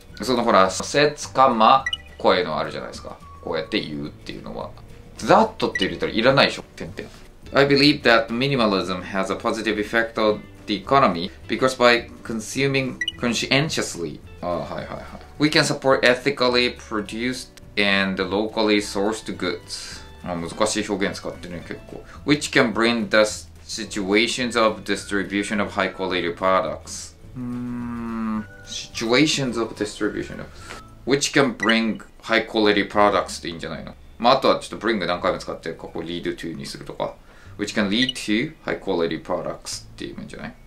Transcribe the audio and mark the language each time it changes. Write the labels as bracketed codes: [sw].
[ja] そのほら、せつかま、声のあるじゃないですか。こうやって言うっていうのは。 that って入れたらいらないでしょ、てんてん。 [en] I believe that minimalism has a positive effect on the economy because by consuming conscientiously, we can support ethically produced and locally sourced goods. [ja] あ、難しい表現使ってるね、結構。 [en] which can bring the situations of distribution of high quality products. situations of distribution of which can bring high quality products でいいんじゃないの。 [ja] まああとはちょっと bring 何回も使ってるか、こう lead to にするとか。 Which can lead to high quality products っていうんじゃない。